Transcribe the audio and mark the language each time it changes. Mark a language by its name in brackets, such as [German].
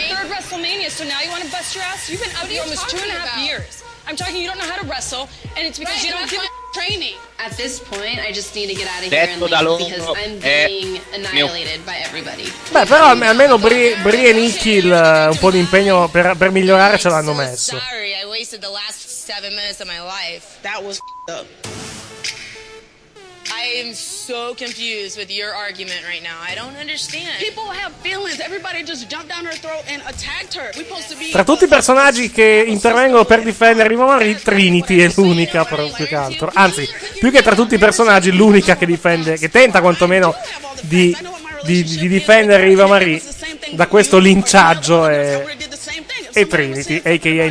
[English] This is your third WrestleMania, so now you want to bust your ass? You've been up here almost 2.5 years. I'm talking, you don't know how to wrestle, and it's because you don't give a training. At this point, I just need to get out of here and leave because I'm being annihilated by everybody. [Italian] Beh, però almeno Bri e Nikki un po' di impegno per migliorare ce l'hanno messo. [English] Sorry, I wasted the last 7 minutes of my life. That was f***ed up. I am so confused with your argument right now. I don't understand. People have feelings. Everybody just jumped down her throat and attacked her. We're supposed to be. [Italian] Tra tutti i personaggi che intervengono per difendere Riva Marie, Trinity è l'unica, proprio che altro. Anzi, più che tra tutti i personaggi, l'unica che difende, che tenta quantomeno di difendere Riva Marie da questo linciaggio è Trinity, a.k.a.